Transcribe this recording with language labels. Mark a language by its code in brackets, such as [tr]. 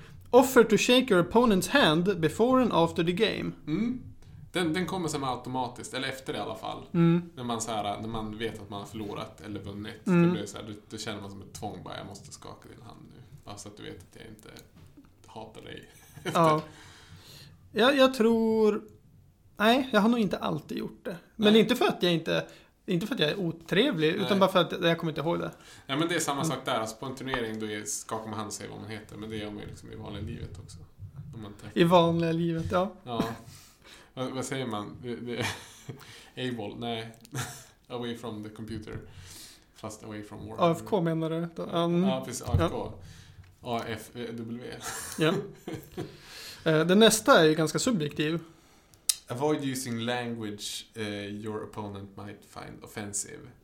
[en] Offer to shake your opponent's hand before and after the game. Mm. [sv] Den kommer som automatiskt, eller efter det i alla fall. När man, så här, när man vet att man har förlorat eller vunnit. Det blir så här, då känner man som ett tvång, bara jag måste skaka din hand nu. Bara så att du vet att jag inte hatar dig. Ja. Jag tror, nej, jag har nog inte alltid gjort det. Men inte för att jag är otrevlig, utan bara för att jag kommer inte ihåg det. Ja, men det är samma sak där. Alltså, på en turnering då skakar man hand och säger vad man heter. Men det gör man liksom i vanliga livet också. Om man tänker. I vanliga livet, ja. Ja. Vad säger man? Able? Nej. [en] Away from the computer. Fast away from work. [sv] AFK menar du? Precis, AFK. Ja. AFW. Ja. Det nästa är ju ganska subjektiv. [en] Avoid using language your opponent might find offensive.